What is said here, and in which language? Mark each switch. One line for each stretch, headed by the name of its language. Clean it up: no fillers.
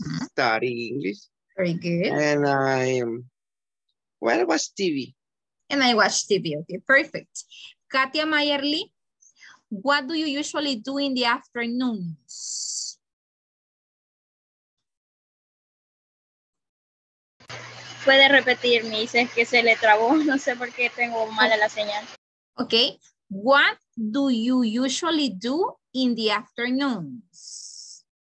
English: Uh-huh. Study English. Very good. And I well, I watch TV. And I watch TV. Okay, perfect. Katia Mayerly, what do you usually do in the afternoons?
Spanish: Puede repetir, me dice que se le trabó. No sé por qué tengo mala la señal.
English: Okay. What do you usually do in the afternoons?